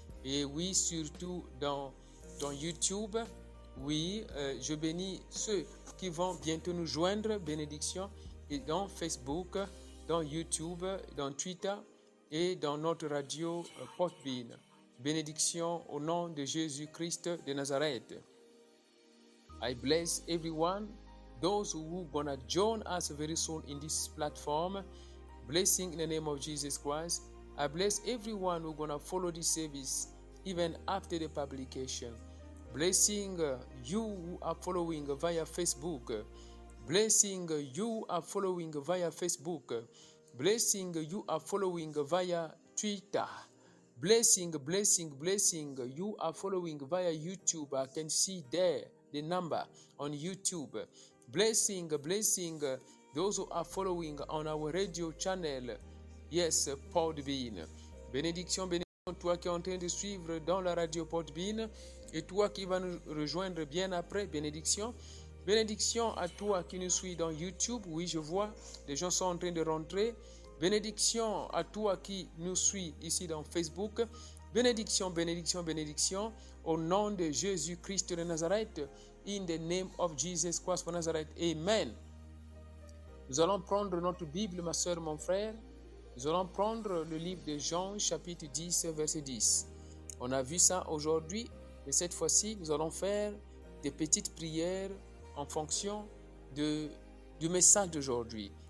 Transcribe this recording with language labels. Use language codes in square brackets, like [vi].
[fr] Et oui, surtout dans YouTube. Oui, je bénis ceux qui vont bientôt nous joindre, bénédiction, et dans Facebook, dans YouTube, dans Twitter et dans notre radio Portbine. Bénédiction au nom de Jésus-Christ de Nazareth. [en] I bless everyone, those who are going to join us very soon in this platform. Blessing in the name of Jesus Christ. I bless everyone who are going to follow this service even after the publication. Blessing you who are following via Facebook. Blessing you are following via Facebook. Blessing you are following via Twitter. Blessing you are following via YouTube. I can see there the number on YouTube. Blessing those who are following on our radio channel. Yes, Podbean. [fr] Bénédiction, toi qui es en train de suivre dans la radio Podbean et toi qui vas nous rejoindre bien après, bénédiction. Bénédiction à toi qui nous suis dans YouTube. Oui, je vois, les gens sont en train de rentrer. Bénédiction à toi qui nous suis ici dans Facebook. Bénédiction. Au nom de Jésus-Christ de Nazareth. [en] In the name of Jesus Christ of Nazareth. Amen. [fr] Nous allons prendre notre Bible, ma soeur, mon frère. Nous allons prendre le livre de Jean, chapitre 10, verset 10. On a vu ça aujourd'hui, mais cette fois-ci, nous allons faire des petites prières en fonction du message d'aujourd'hui.